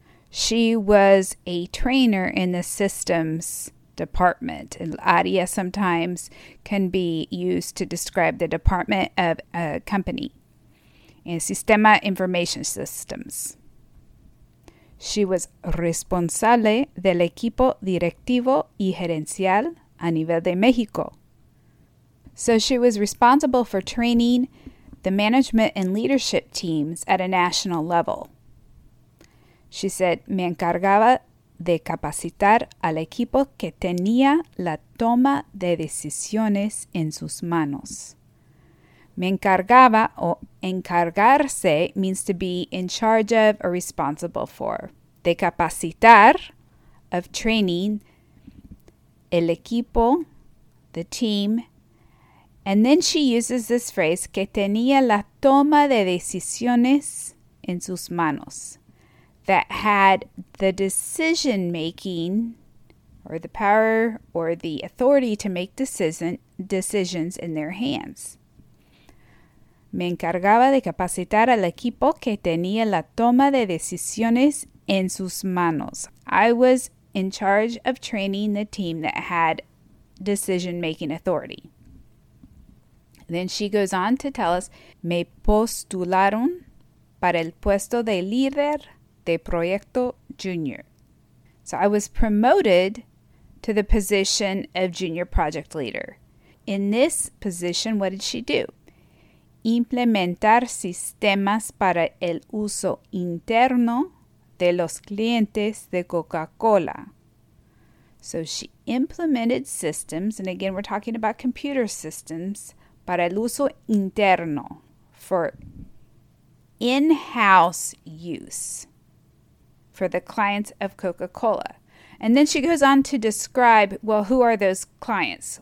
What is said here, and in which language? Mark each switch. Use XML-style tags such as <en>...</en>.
<en>She was a trainer in the systems department. And área sometimes can be used to describe the department of a company. And sistema information systems. She was</en> <es>responsable del equipo directivo y gerencial a nivel de México.</es> <en>So she was responsible for training the management and leadership teams at a national level. She said,</en> <es>me encargaba de capacitar al equipo que tenía la toma de decisiones en sus manos. Me encargaba o encargarse</es> <en>means to be in charge of or responsible for.</en> <es>De capacitar,</es> <en>of training,</en> <es>el equipo,</es> <en>the team. And then she uses this phrase,</en> <es>que tenía la toma de decisiones en sus manos.</es> <en>That had the decision making, or the power, or the authority to make decisions in their hands.</en> <es>Me encargaba de capacitar al equipo que tenía la toma de decisiones en sus manos.</es> <en>I was in charge of training the team that had decision-making authority. Then she goes on to tell us,</en> <es>me postularon para el puesto de líder de proyecto junior.</es> <en>So I was promoted to the position of junior project leader. In this position, what did she do?</en> <es>Implementar sistemas para el uso interno de los clientes de Coca-Cola.</es> <en>So she implemented systems, and again we're talking about computer systems,</en> <es>para el uso interno,</es> <en>for in-house use. for the clients of Coca-Cola. And then she goes on to describe, well, who are those clients?</en>